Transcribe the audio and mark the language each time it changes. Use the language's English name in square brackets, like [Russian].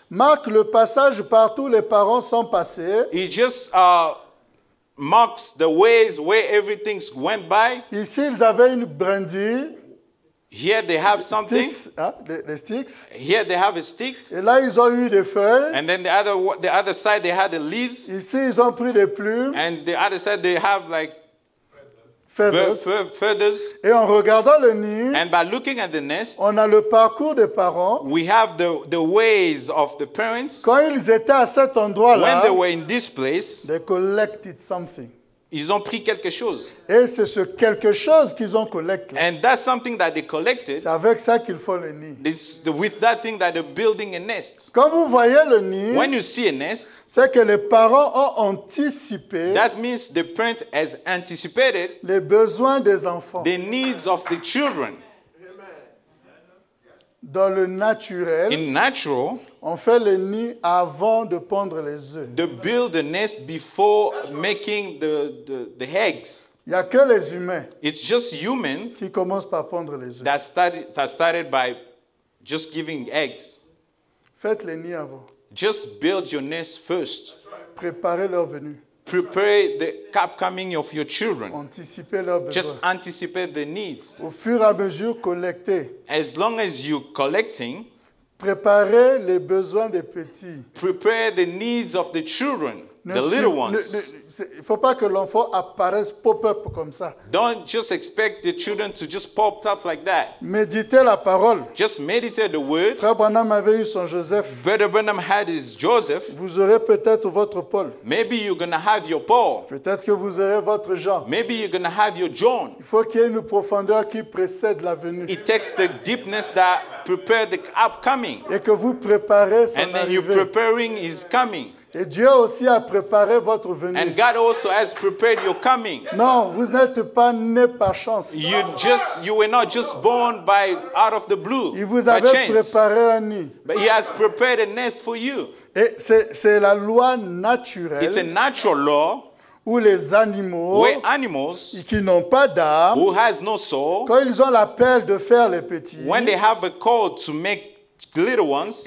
[French] marque le passage par où les parents sont passés. [English] It just marks the ways where everything went by. [French] Ici, ils avaient une brindille. [English] Here they have something. Sticks, the sticks. Here they have a stick. [French] Et là, ils ont eu des feuilles. [English] And then the other side they had the leaves. [French] Ici, ils ont pris des plumes. [English] And the other side they have like [French] feathers. Et en regardant le nid, [English] and by looking at the nest, [French] on a le parcours des parents. [English] We have the ways of the parents. [French] Quand ils étaient à cet endroit-là, [English] when they were in this place, they collected something. [French] Ils ont pris quelque chose. Et c'est ce quelque chose qu'ils ont collecté. [English] And that's something that they collected. [French] C'est avec ça qu'ils font le nid. [English] With that thing that they're building a nest. [French] Quand vous voyez le nid, [English] when you see a nest, [French] c'est que les parents ont anticipé. [English] That means the parent has anticipated [French] les besoins des enfants. [English] The needs of the children. [French] Dans le naturel. [English] In natural. [French] On fait le nid avant de pondre les œufs. [English] To build the nest before making the eggs. [French] Il y a que les humains. [English] It's just humans [French] qui commencent par pondre les œufs. [English] That started by just giving eggs. [French] Faites le nid avant. [English] Just build your nest first. [French] Préparez leur venue. [English] Prepare the upcoming of your children. [French] Anticipez leurs besoins. [English] Just anticipate the needs. [French] Au fur et à mesure, collectez. [English] As long as you're collecting. [French] Préparez les besoins des petits. [English] Prepare the needs of the children, the little ones. [French] Il ne faut pas que l'enfant apparaisse pop-up comme ça. [English] Don't just expect the children to just pop up like that. [French] Méditez la parole. [English] Just meditate the word. [French] Frère Branham avait eu son Joseph. [English] Brother Branham had his Joseph. [French] Vous aurez peut-être votre Paul. [English] Maybe you're going to have your Paul. [French] Peut-être que vous aurez votre Jean. [English] Maybe you're going to have your John. [French] Il faut qu'il y ait une profondeur qui précède la venue. [English] It takes the deepness that prepare the upcoming. [French] Et que vous préparez son arrivée. [English] And then you're preparing his coming. [French] Et Dieu aussi a préparé votre venue. [English] And God also has prepared your coming. [French] Non, vous n'êtes pas né par chance. [English] You were not just born by out of the blue. [French] Il vous avait préparé un nid. [English] But he has prepared a nest for you. [French] Et c'est la loi naturelle. [English] It's a natural law. [French] Où les animaux, [English] where animals, [French] qui n'ont pas d'âme, [English] who has no soul, [French] quand ils ont l'appel de faire les petits, [English] when they have a call to make little ones,